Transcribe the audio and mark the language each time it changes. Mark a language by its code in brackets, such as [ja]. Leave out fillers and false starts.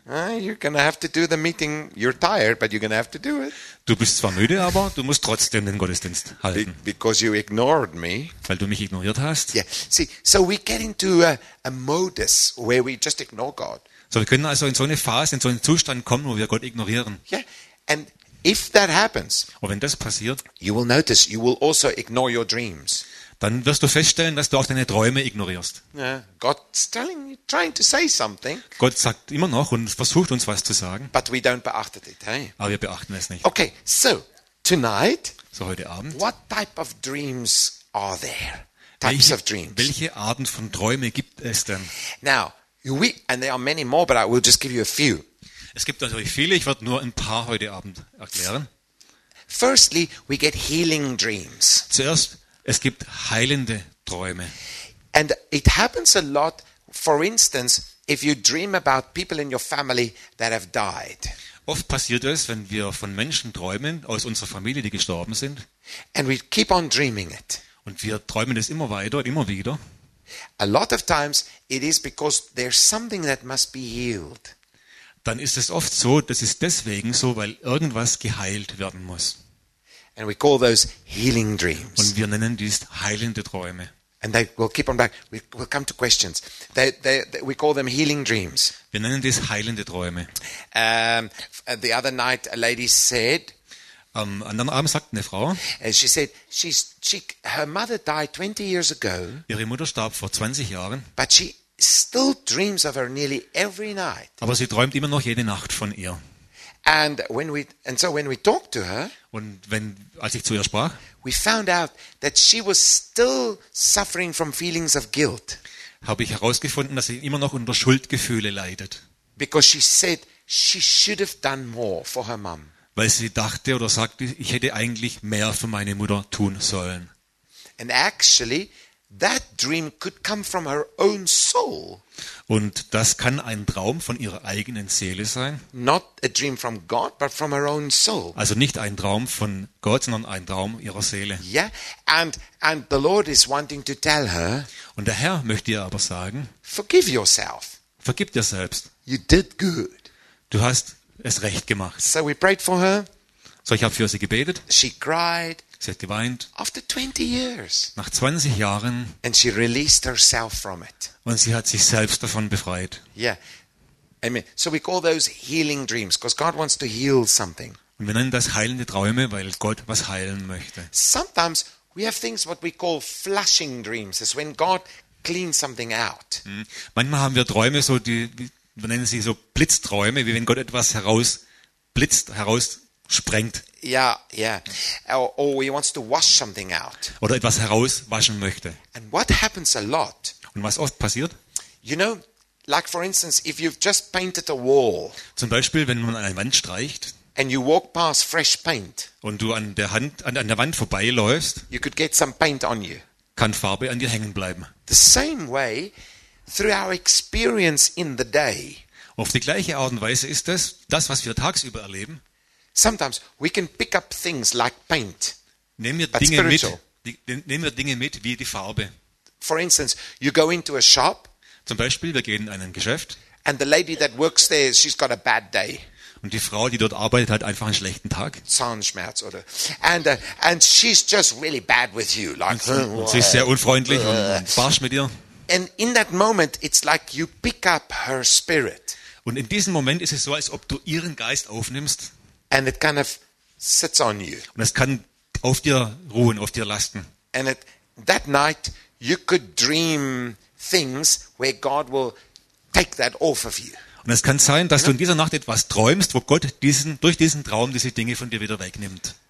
[en] you're gonna have to do the meeting. You're tired, but you're gonna have to do it. [de] Du bist zwar müde, aber du musst trotzdem den Gottesdienst halten. [en] Because you ignored me. [de] Weil du mich ignoriert hast. [en] Yeah. See, so we get into a modus where we just ignore God. [de] So wir können also in so eine Phase, in so einen Zustand kommen, wo wir Gott ignorieren. [en] Yeah. And if that happens, [de] und wenn das passiert, [en] you will notice you will also ignore your dreams. [de] Dann wirst du feststellen, dass du auch deine Träume ignorierst. [en] God's telling you, trying to say something. [de] Gott sagt immer noch und versucht uns was zu sagen. [en] But we don't beachte it, hey? [de] Aber wir beachten es nicht. [en] Okay, so tonight. [de] So heute Abend. [en] What type of dreams are there? Types of dreams. [de] Welche Arten von Träumen gibt es denn? [en] Now we and there are many more, but I will just give you a few. [de] Es gibt natürlich viele. Ich werde nur ein paar heute Abend erklären. [en] Firstly, we get healing dreams. [de] Zuerst, es gibt heilende Träume. [en] And it happens a lot, for instance, if you dream about people in your family that have died. [de] Oft passiert es, wenn wir von Menschen träumen aus unserer Familie, die gestorben sind. [en] And we keep on dreaming it. [de] Und wir träumen es immer weiter und immer wieder. [en] A lot of times it is because there's something that must be healed. [de] Dann ist es oft so, das ist deswegen so, weil irgendwas geheilt werden muss. [en] And we call those healing dreams. [de] Und wir nennen dies heilende Träume. [en] And they will keep on back. We'll come to questions. We call them healing dreams. [de] Wir nennen dies heilende Träume. [en] The other night, a lady said. [de] Anderen Abend sagte eine Frau. [en] She said she her mother died 20 years ago. [de] Ihre Mutter starb vor 20 Jahren. [en] But she still dreams of her nearly every night. [de] Aber sie träumt immer noch jede Nacht von ihr. [en] And when we and so when we talked to her, [de] und wenn als ich zu ihr sprach, [en] we found out that she was still suffering from feelings of guilt. [de] Habe ich herausgefunden, dass sie immer noch unter Schuldgefühle leidet. [en] Because she said she should have done more for her mom. [de] Weil sie dachte oder sagte, ich hätte eigentlich mehr für meine Mutter tun sollen. [en] And actually, that dream could come from her own soul. [de] Und das kann ein Traum von ihrer eigenen Seele sein. [en] Not a dream from God, but from her own soul. [de] Also nicht ein Traum von Gott, sondern ein Traum ihrer Seele. [en] Yeah, and the Lord is wanting to tell her. [de] Und der Herr möchte ihr aber sagen: [en] Forgive yourself. [de] Vergib dir selbst. [en] You did good. [de] Du hast es recht gemacht. [en] So we prayed for her. [de] So ich habe für sie gebetet. [en] She cried. [de] Sie hat geweint. [en] After 20 years. [de] Nach 20 Jahren. [en] And she released herself from it. [de] Und sie hat sich selbst davon befreit. [en] Yeah. Amen. So we call those healing dreams, because God wants to heal something. [de] Und wir nennen das heilende Träume, weil Gott was heilen möchte. [en] Sometimes we have things what we call flushing dreams, is when God cleans something out. [de] Manchmal haben wir Träume, so die wir nennen sie so Blitzträume, wie wenn Gott etwas herausblitzt, heraussprengt. [en] Yeah, yeah. Or he wants to wash something out. [de] Oder etwas herauswaschen möchte. [en] And what happens a lot? [de] Und was oft passiert? [en] You know, like for instance, if you've just painted a wall. [de] Zum Beispiel, wenn man eine Wand streicht. [en] And you walk past fresh paint. [de] Und du an der Wand vorbeiläufst. [en] You could get some paint on you. [de] Kann Farbe an dir hängen bleiben. [en] The same way through our experience in the day. [de] Auf die gleiche Art und Weise ist das, was wir tagsüber erleben. [en] Sometimes we can pick up things like paint. [de] Nehmen wir Dinge mit, wie die Farbe. [en] For instance, you go into a shop. [de] Zum Beispiel, wir gehen in ein Geschäft. [en] And the lady that works there, she's got a bad day. [de] Und die Frau, die dort arbeitet, hat einfach einen schlechten Tag. Zahnschmerz oder. [en] And she's just really bad with you, like. [de] Und sie ist sehr unfreundlich und barsch mit dir. [en] And in that moment, it's like you pick up her spirit. [de] Und in diesem Moment ist es so, als ob du ihren Geist aufnimmst. [en] And it kind of sits on you. [de] Und es kann auf dir ruhen, auf dir lasten. [en] And that night you could dream things where God will take that off of you. [de] Und es kann sein, dass du in dieser Nacht etwas träumst, wo Gott durch diesen Traum diese Dinge von dir wieder wegnimmt.